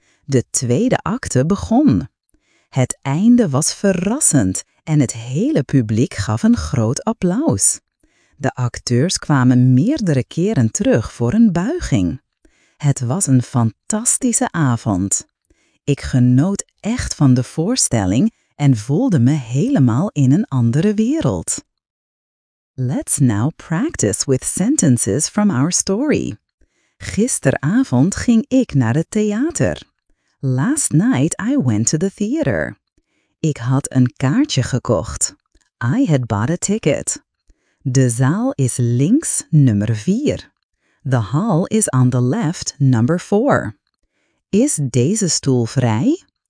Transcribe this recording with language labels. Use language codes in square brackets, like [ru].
[nl] De tweede acte begon. Het einde was verrassend en het hele publiek gaf een groot applaus. De acteurs kwamen meerdere keren terug voor een buiging. Het was een fantastische avond. Ik genoot echt van de voorstelling en voelde me helemaal in een andere wereld. [en] Let's now practice with sentences from our story. [nl] Gisteravond ging ik naar het theater. [en] Last night I went to the theater. [nl] Ik had een kaartje gekocht. [en] I had bought a ticket. [nl] De zaal is links nummer 4. [en] The hall is on the left number 4. [nl] Is deze stoel vrij?